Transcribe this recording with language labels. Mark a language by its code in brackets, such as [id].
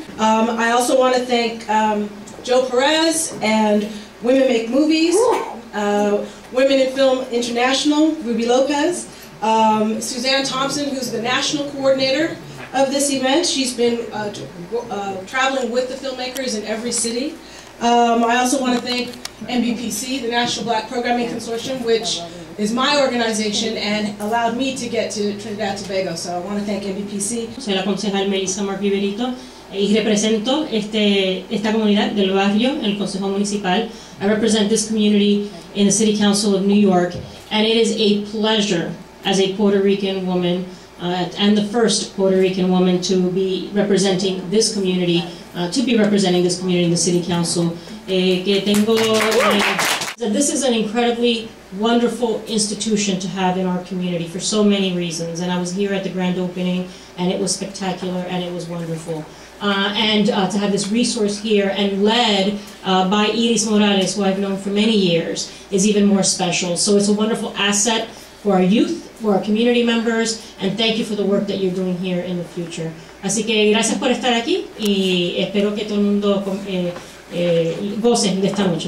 [en] I also want to thank Joe Perez and Women Make Movies, Women in Film International, Ruby Lopez, Suzanne Thompson, who's the national coordinator of this event. She's been traveling with the filmmakers in every city. I also want to thank NBPC, the National Black Programming Consortium, which is my organization and allowed me to get to Trinidad Tobago. So I want to thank NBPC. [es] Soy la concejal Melissa Marviverito y represento esta comunidad del barrio, el Consejo Municipal. [en] I represent this community in the City Council of New York, and it is a pleasure as a Puerto Rican woman, and the first Puerto Rican woman to be representing this community, in the City Council. This is an incredibly wonderful institution to have in our community for so many reasons, and I was here at the grand opening, and it was spectacular, and it was wonderful. To have this resource here and led by Iris Morales, who I've known for many years, is even more special. So it's a wonderful asset for our youth, for our community members, and thank you for the work that you're doing here in the future. [es] Así que gracias por estar aquí y espero que todo el mundo goce de esta noche.